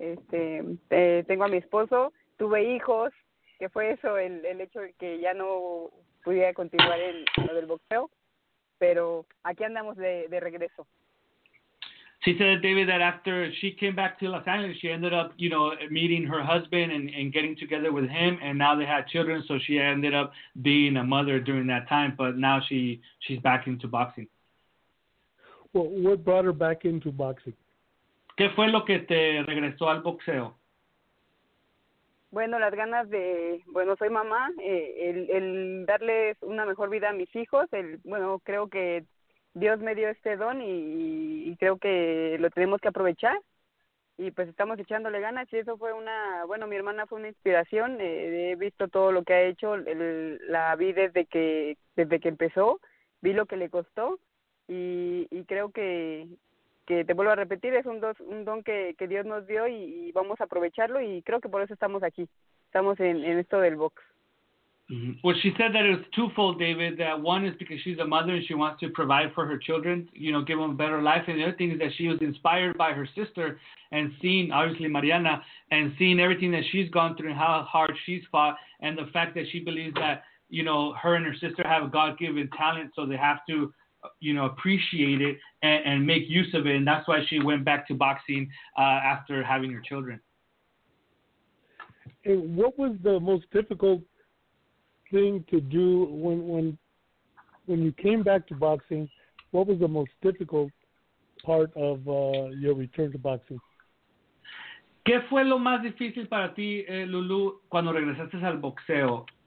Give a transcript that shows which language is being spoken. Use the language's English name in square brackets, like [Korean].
[Spanish] Tengo a mi esposo, tuve hijos, que fue eso, el hecho de que ya no pudiera continuar en lo del boxeo. Pero aquí andamos de regreso. [English] She said, David, that after she came back to Los Angeles, she ended up, you know, meeting her husband and getting together with him, and now they had children, so she ended up being a mother during that time, but now she's back into boxing. Well, what brought her back into boxing? [Spanish] ¿Qué fue lo que te regresó al boxeo? Bueno, las ganas de, bueno, soy mamá, el darles una mejor vida a mis hijos, creo que Dios me dio este don y creo que lo tenemos que aprovechar. Y pues estamos echándole ganas. Y eso fue mi hermana fue una inspiración. He visto todo lo que ha hecho. La vi desde que empezó. Vi lo que le costó. Y creo que te vuelvo a repetir, es un don que Dios nos dio y vamos a aprovecharlo. Y creo que por eso estamos aquí. Estamos en esto del box. Mm-hmm. [English] Well, she said that it's twofold, David, that one is because she's a mother and she wants to provide for her children, you know, give them a better life. And the other thing is that she was inspired by her sister and seeing, obviously, Mariana, and seeing everything that she's gone through and how hard she's fought. And the fact that she believes that, you know, her and her sister have a God-given talent, so they have to, you know, appreciate it and make use of it. And that's why she went back to boxing after having her children. And what was the most difficult thing to do when you came back to boxing? What was the most difficult part of your return to boxing? [Spanish] ¿Qué fue lo más difícil para ti, Lulu, cuando regresaste al boxeo?